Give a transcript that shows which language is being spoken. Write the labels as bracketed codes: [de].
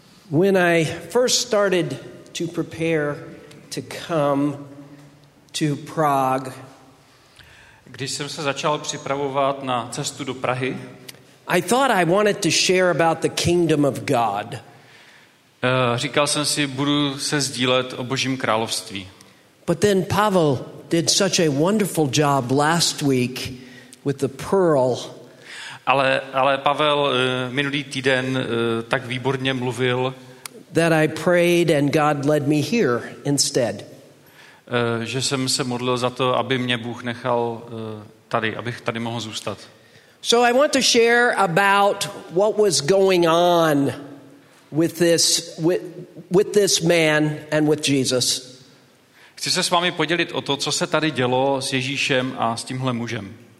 [en] When I first started to prepare to come to Prague, [cs] když jsem se začal připravovat na cestu do Prahy, [en] I thought I wanted to share about the kingdom of God. [cs] Říkal jsem si, budu se sdílet o Božím království. [en] But then Pavel did such a wonderful job last week with the pearl. [cs] Ale Pavel minulý týden tak výborně mluvil, [en] that I prayed and God led me here instead. [cs] Že jsem se modlil za to, aby mě Bůh nechal tady, abych tady mohl zůstat. [en] So I want to share about what was going on with this man and with Jesus. [cs] Chci se s vámi podělit o to, co se tady dělo s Ježíšem a s tímhle mužem.